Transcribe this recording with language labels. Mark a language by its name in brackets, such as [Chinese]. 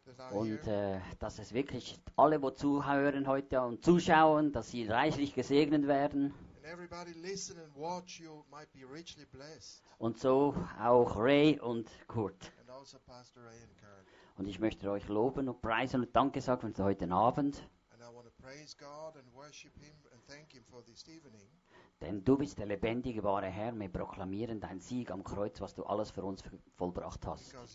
[German] Und dass es wirklich alle, wo zuhören heute und zuschauen, dass sie reichlich gesegnet werden. [English] And everybody listen and watch, you might be richly blessed. [German] Und so auch Ray und Kurt. [English] And also Pastor Ray and Kurt. [German] Und ich möchte euch loben und preisen und Danke sagen für heute Abend. [English] And I want to praise God and worship him and thank him for this evening. [German] Denn du bist der lebendige, wahre Herr. Wir proklamieren deinen Sieg am Kreuz, was du alles für uns vollbracht hast.